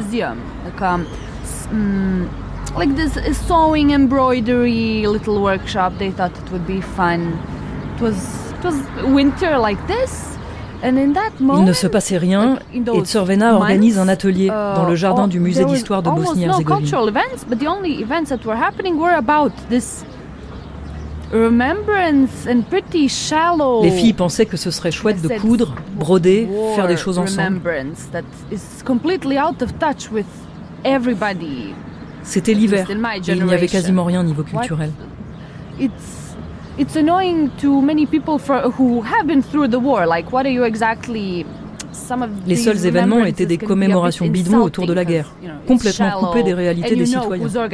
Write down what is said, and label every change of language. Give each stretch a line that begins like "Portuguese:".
English: Like this sewing embroidery little workshop, they thought it would be fun. It was winter like this, and in that moment,
French: il ne se passait rien. Et Tservena organise un atelier dans le jardin du musée d'histoire de Bosnie-Herzégovine.
English: Almost no cultural events, but the only events that were happening were about this. Remembrance and pretty shallow.
French: Les filles pensaient que ce serait chouette de coudre, broder, faire des choses ensemble.
English: That is completely out of touch with everybody.
French: C'était l'hiver, et il n'y avait quasiment rien au niveau culturel.
English: It's annoying to many people who have been through the war. Like, what are you exactly?
French: Les seuls événements étaient des commémorations bidons autour de la guerre, complètement coupées des réalités des citoyens.